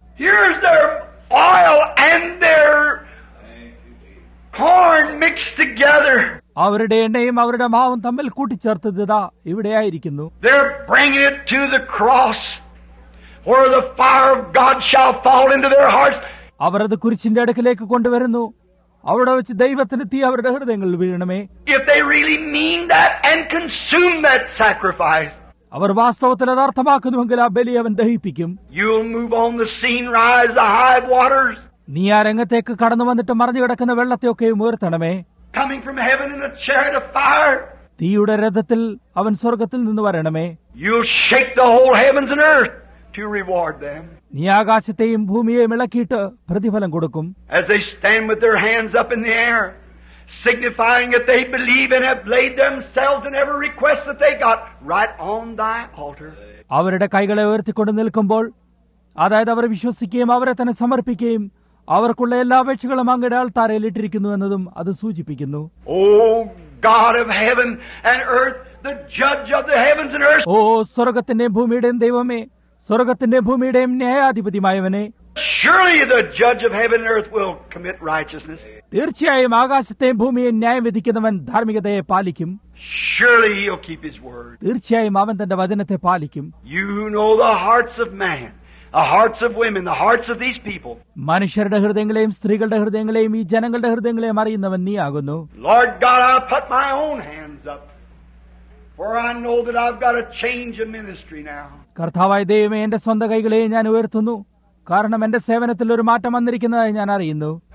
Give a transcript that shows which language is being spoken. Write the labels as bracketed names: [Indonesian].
[English] Here's their oil and their corn mixed together. [Malayalam] അവരുടെ എണ്ണയും അവരുടെ മാവും തമ്മിൽ കൂട്ടിച്ചേർത്തതാ ഇവിടെയായിരിക്കുന്നു. [English] They're bringing it to the cross where the fire of God shall fall into their hearts. [Malayalam] അവരത് കുരിശിന്റെ അടുക്കലേക്ക് കൊണ്ടുവരുന്നു. അവിടെ വെച്ച് ദൈവത്തിന്റെ തീ അവരുടെ ഹൃദയങ്ങളിൽ വീഴണമേ. [English] If they really mean that and consume that sacrifice. [Malayalam] അവർ വാസ്തവത്തിൽ അതാർത്ഥമാക്കുന്നുവെങ്കിൽ ആ ബലി അവൻ ദഹിപ്പിക്കും. [English] You'll move on the scene, rise the high waters. [Malayalam] നീ ആ രംഗത്തേക്ക് കടന്നു വന്നിട്ട് മറിഞ്ഞു കിടക്കുന്ന വെള്ളത്തെയൊക്കെ ഉയർത്തണമേ. [English] Coming from heaven in a chariot of fire. [Malayalam] തീയുടെ രഥത്തിൽ അവൻ സ്വർഗത്തിൽ നിന്ന് വരണമേ. [English] You'll shake the whole heavens and earth to reward them. [Malayalam] നീ ആകാശത്തെയും ഭൂമിയെയും ഇളക്കിയിട്ട് പ്രതിഫലം കൊടുക്കും. [English] As they stand with their hands up in the air, signifying that they believe and have laid themselves in every request that they got right on thy altar. [Malayalam] അവരുടെ കൈകളെ ഉയർത്തിക്കൊണ്ട് നിൽക്കുമ്പോൾ, അതായത് അവർ വിശ്വസിക്കുകയും അവരെ തന്നെ സമർപ്പിക്കുകയും അവർക്കുള്ള എല്ലാ അപേക്ഷകളും അങ്ങയുടെ ആൾത്താരയിൽ ഇട്ടിരിക്കുന്നു എന്നതും അത് സൂചിപ്പിക്കുന്നു. [English] O God of heaven and earth, the judge of the heavens and earth. [Malayalam] ഓ സ്വർഗത്തിന്റെ ഭൂമിയുടെയും ദൈവമേ, സ്വർഗത്തിന്റെ ഭൂമിയുടെയും ന്യായാധിപതിയായവനെ. [English] Surely the judge of heaven and earth will commit righteousness. [Malayalam] തീർച്ചയായും ആകാശത്തെയും ഭൂമിയെയും ന്യായം വിധിക്കുന്നവൻ ധാർമ്മികതയെ പാലിക്കും. [English] Surely he'll keep his word. [Malayalam] തീർച്ചയായും അവൻ തന്റെ വചനത്തെ പാലിക്കും. [English] You know the hearts of man, the hearts of women, the hearts of these people. [Malayalam] മനുഷ്യരുടെ ഹൃദയങ്ങളെയും സ്ത്രീകളുടെ ഹൃദയങ്ങളെയും ഈ ജനങ്ങളുടെ ഹൃദയങ്ങളെയും അറിയുന്നവൻ നീയാകുന്നു. [English] Lord God, I put my own hands up. For I know that I've got a change of ministry now. [Malayalam] കർത്താവായ ദൈവമേ, എന്റെ സ്വന്തം കൈകളെ ഞാൻ ഉയർത്തുന്നു. കാരണം എന്റെ സേവനത്തിൽ ഒരു മാറ്റം വന്നിരിക്കുന്നതായി ഞാൻ അറിയുന്നു.